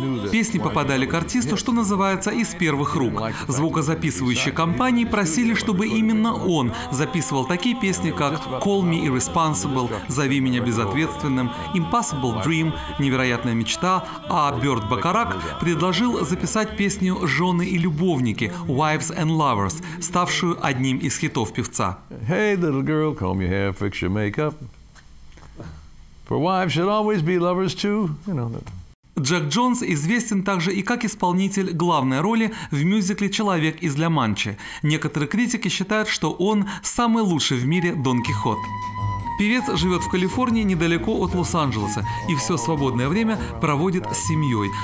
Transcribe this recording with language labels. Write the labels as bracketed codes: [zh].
[ru] Песни попадали к артисту, что называется, из первых рук. Звукозаписывающие компании просили, чтобы именно он записывал такие песни, как «Call Me Irresponsible», «Зови меня безответственным», «Impossible Dream», «Невероятная мечта», а Бёрд Бакарак предложил записать песню «Жены и любовники» «Wives and Lovers», ставшую одним из хитов певца. [en] Hey, little girl, comb your hair, fix your makeup. For wives should always be lovers too, you know. [ru] Джек Джонс известен также и как исполнитель главной роли в мюзикле «Человек из Ла-Манчи». Некоторые критики считают, что он самый лучший в мире Дон Кихот. Певец живет в Калифорнии, недалеко от Лос-Анджелеса, и все свободное время проводит с семьей.